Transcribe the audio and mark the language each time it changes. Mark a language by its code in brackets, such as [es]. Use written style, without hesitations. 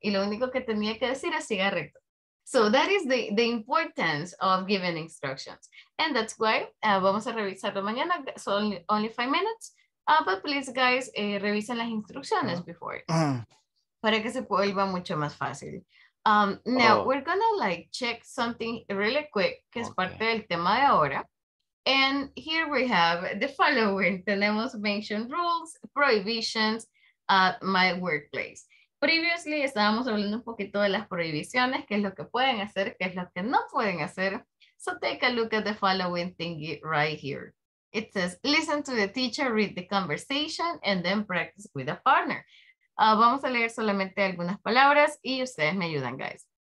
[es] Y lo único que tenía que decir era siga recto. [en] So that is the importance of giving instructions. And that's why [es] vamos a revisarlo mañana. [en] So only 5 minutes. But please, guys, [es] revisen las instrucciones [en] before. [es] Para que se vuelva mucho más fácil. [en] Now, we're going to like check something really quick, [es] que es parte del tema de ahora. [en] And here we have the following. [es] Tenemos [en] mention rules, prohibitions at my workplace. [es] Previously, estábamos hablando un poquito de las prohibiciones, qué es lo que pueden hacer, qué es lo que no pueden hacer. [en] So take a look at the following thingy right here. It says, listen to the teacher, read the conversation, and then practice with a partner. [es] Vamos a leer solamente algunas palabras y ustedes me ayudan, guys.